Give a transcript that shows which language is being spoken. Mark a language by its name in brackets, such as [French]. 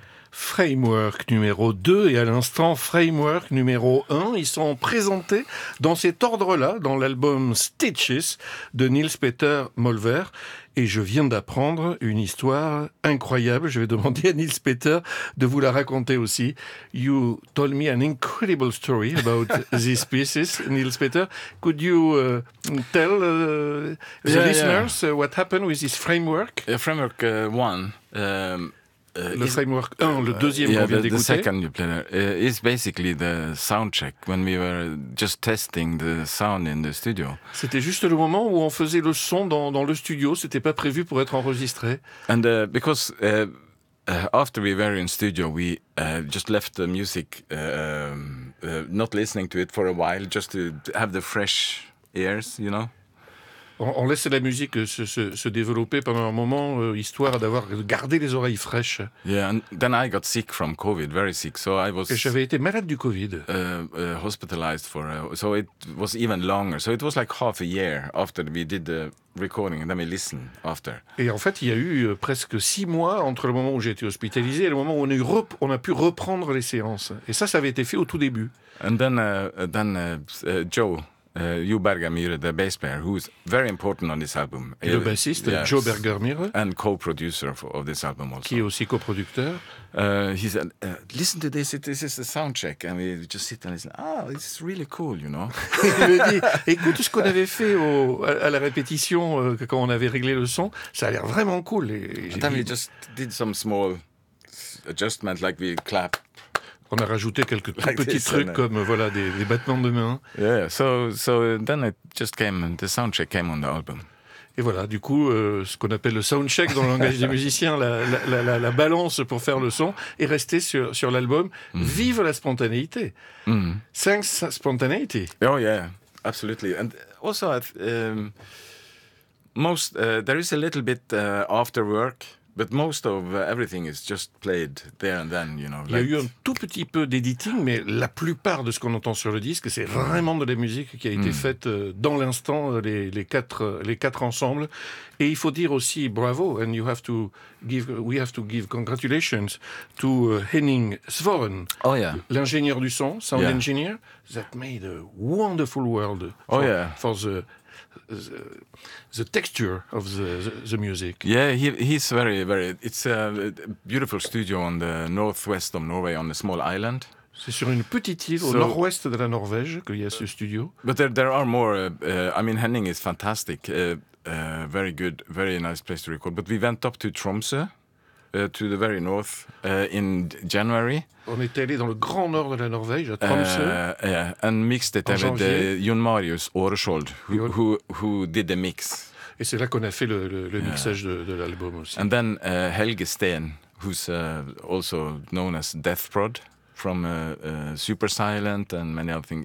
[French] Framework numéro 2 et à l'instant Framework numéro 1. Ils sont présentés dans cet ordre-là, dans l'album Stitches de Niels Peter Molvær. Et je viens d'apprendre une histoire incroyable. Je vais demander à Niels Peter de vous la raconter aussi. [English] You told me an incredible story about these pieces, Niels Peter. Could you tell the listeners what happened with this framework? Framework 1. [French] Le framework 1, le deuxième qu'on vient d'écouter. [English] The second you played is basically the sound check when we were just testing the sound in the studio. [French] C'était juste le moment où on faisait le son dans le studio. C'était pas prévu pour être enregistré. [English] And because after we were in studio, we just left the music, not listening to it for a while, just to have the fresh ears, you know. [French] On laissait la musique se développer pendant un moment, histoire d'avoir gardé les oreilles fraîches. [English] Yeah, and then I got sick from COVID, very sick. So I was. [French] Et j'avais été malade du COVID. [English] Hospitalized for, so it was even longer. So it was like half a year after we did the recording, and then we listened after. [French] Et en fait, il y a eu presque six mois entre le moment où j'ai été hospitalisé et le moment où on a pu reprendre les séances. Et ça avait été fait au tout début. [English] And then Joe. Hugh Bergermeer, the bass player, who is very important on this album. [French] Le bassiste, yes. Joe Bergermeer. [English] And co-producer of this album also. [French] Qui est aussi co-producteur. [English] He said, listen to this, this is the sound check. And we just sit and listen, ah, it's really cool, you know. [French] Il me dit, écoute ce qu'on avait fait à la répétition quand on avait réglé le son, ça a l'air vraiment cool. [English] And then we just did some small adjustments, like we clap. [French] On a rajouté quelques tout like petits trucs comme voilà des battements de mains. [English] Yeah, so then it just came, the sound check came on the album. [French] Et voilà, du coup, ce qu'on appelle le sound check dans le langage des musiciens, la balance pour faire le son est restée sur l'album. Mm-hmm. Vive la spontanéité. Mm-hmm. [English] Thanks spontaneity. Oh yeah, absolutely. And also, there is a little bit after work. But most of everything is just played there and then, you know. [French] Il y a eu un tout petit peu d'editing, mais la plupart de ce qu'on entend sur le disque, c'est vraiment de la musique qui a été faite dans l'instant, les quatre ensemble. Et il faut dire aussi bravo, [English] and we have to give congratulations to Henning Svoren, oh, yeah. [French] L'ingénieur du son, [English] sound engineer, that made a wonderful world for the texture of the music. Yeah, he's very, very. It's a beautiful studio on the northwest of Norway, on a small island. [French] C'est sur une petite île au nord-ouest de la Norvège qu'il y a ce studio. [English] But there are more. I mean, Henning is fantastic. Very good, very nice place to record. But we went up to Tromsø. To the very north in January. [French] On est allé dans le grand nord de la Norvège, à Tromsø. [English] And mixed it with Jon Marius Aareskjold, who did the mix. [French] Et c'est là qu'on a fait le mixage de l'album aussi. [English] And then Helge Steen, who's also known as Death Prod from Super Silent and many other things.